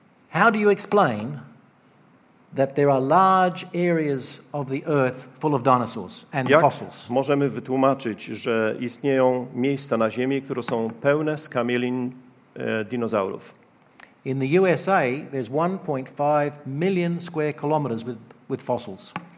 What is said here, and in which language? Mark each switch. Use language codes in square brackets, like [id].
[en] How do you explain that there are large areas of the earth full of dinosaurs and fossils? [pl] Jak możemy wytłumaczyć, że istnieją miejsca na Ziemi, które są pełne skamielin dinozaurów? [en] In the USA there's 1.5 million square kilometers with fossils.